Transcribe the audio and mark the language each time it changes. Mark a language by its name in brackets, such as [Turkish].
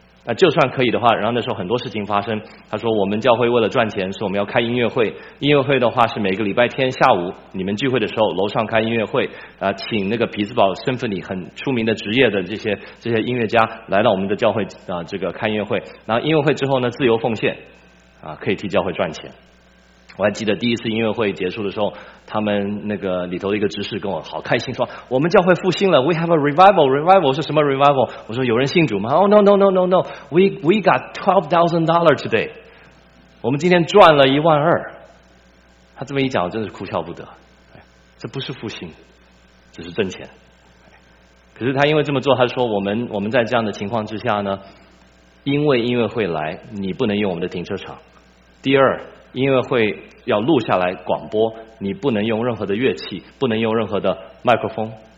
[Chinese] 那就算可以的话，然后那时候很多事情发生，他说我们教会为了赚钱，说我们要开音乐会，音乐会的话是每个礼拜天下午你们聚会的时候楼上开音乐会请那个匹兹堡圣弗尼很出名的职业的这些音乐家来到我们的教会这个开音乐会，然后音乐会之后呢自由奉献可以替教会赚钱。我还记得第一次音乐会结束的时候，他们那个里头的一个执事跟我好开心说我们教会复兴了， [English] We have a revival。 [Chinese] Revival 是什么 revival？我说有人信主吗？ [English] Oh no no no no no， We got $12,000 today， [Chinese] 我们今天赚了12000。他这么一讲真是哭笑不得，这不是复兴，只是挣钱。可是他因为这么做，他说我们在这样的情况之下呢，因为音乐会来你不能用我们的停车场，第二音乐会要录下来广播，你不能用任何的乐器，不能用任何的麦克风。